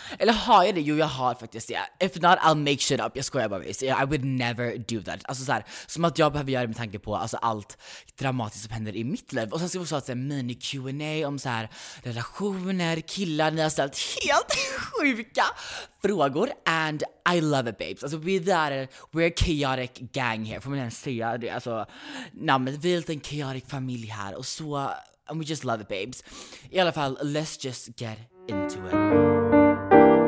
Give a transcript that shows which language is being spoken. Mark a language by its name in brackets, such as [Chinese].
[Swedish] Eller har jag det? Jo, jag har faktiskt det. [English] If not, I'll make shit up. [Swedish] Jag skojar bara med det. [English] I would never do that. [Swedish] Alltså så här, som att jag behöver göra med tanke på alltså allt dramatiskt som händer i mitt liv. Och sen ska vi också ha en mini Q&A om så här relationer, killar. Ni har ställt helt sjuka frågor. [English] And I love it, babes. Alltså we're a chaotic gang here. [Swedish] Får man ens säga det? Alltså namnet, vi är lite en chaotic familj här. Och så, [English] and we just love it, babes. [Swedish] I alla fall, [English] let's just get into it.